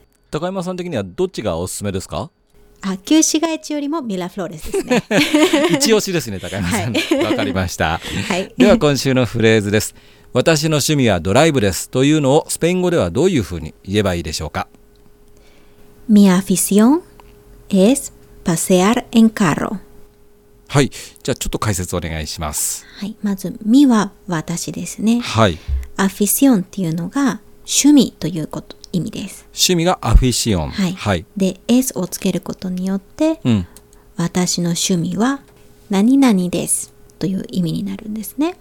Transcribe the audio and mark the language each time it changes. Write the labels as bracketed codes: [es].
[ja] 高山さん的にはどっちがおすすめですか？あ、旧市街地よりもミラフローレスですね一押しですね、高山さん、はい、分かりました、はい、では今週のフレーズです。私の趣味はドライブですというのをスペイン語ではどういうふうに言えばいいでしょうか？ [es] Mi afición es pasear en carro。 [ja] はい、じゃあちょっと解説お願いします。はい、まず mi は私ですね。はい、 afición っていうのが趣味ということ意味です。趣味が afición、はい、はい、で es をつけることによって、うん、私の趣味は何々ですという意味になるんですね。